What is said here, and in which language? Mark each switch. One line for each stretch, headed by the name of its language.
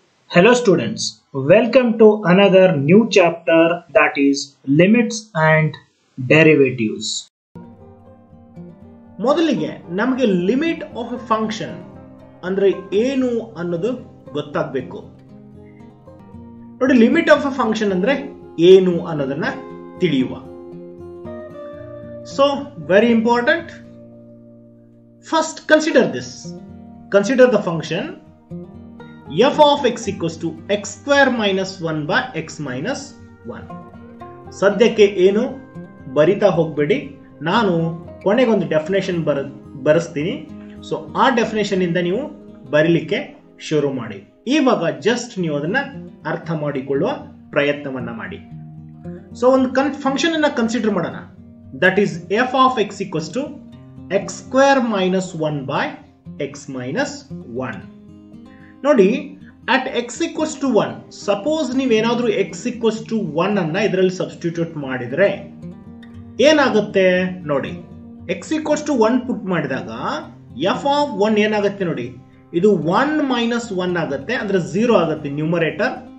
English: Hello students, welcome to another new chapter, that is limits and derivatives.
Kannada: ಮೊದಲಿಗೆ ನಮಗೆ
English: limit of a function
Kannada: ಅಂದ್ರೆ ಏನು ಅನ್ನೋದು ಗೊತ್ತಾಗಬೇಕು. ನೋಡಿ,
English: limit of a function
Kannada: ಅಂದ್ರೆ ಏನು ಅನ್ನೋದನ್ನ ತಿಳಿಯುವ.
English: So very important, first consider this. Consider the function f of x equals to x square minus 1 by x minus 1.
Kannada: ಸದ್ಯಕ್ಕೆ ಏನು ಬರಿತಾ ಹೋಗ್ಬೇಡಿ, ನಾನು ಕೊನೆಗೊಂದು ಡೆಫಿನೇಷನ್ ಬರೆಸ್ತೀನಿ. ಸೊ ಆ ಡೆಫಿನೇಷನ್ ಇಂದ ನೀವು ಬರೀಲಿಕ್ಕೆ ಶುರು ಮಾಡಿ. ಇವಾಗ ಜಸ್ಟ್ ನೀವು ಅದನ್ನ ಅರ್ಥ ಮಾಡಿಕೊಳ್ಳುವ ಪ್ರಯತ್ನವನ್ನ ಮಾಡಿ.
English: so
Kannada: ಒಂದು ಫಂಕ್ಷನ್ ಅನ್ನ ಕನ್ಸಿಡರ್ ಮಾಡೋಣ,
English: That is f of x equals to x square minus 1 by x minus 1. ನೋಡಿ, at x equals to one, suppose
Kannada: ನೀವೇನಾದರೂ
English: x equals to one
Kannada: ಅನ್ನ ಇದರಲ್ಲಿ
English: substitute
Kannada: ಮಾಡಿದರೆ ಏನಾಗುತ್ತೆ ನೋಡಿ.
English: x equals to one put
Kannada: ಮಾಡಿದಾಗ
English: f of one
Kannada: ಏನಾಗುತ್ತೆ ನೋಡಿ, ಇದು
English: one minus one
Kannada: ಆಗುತ್ತೆ, ಅಂದರೆ
English: Zero ಆಗುತ್ತೆ numerator.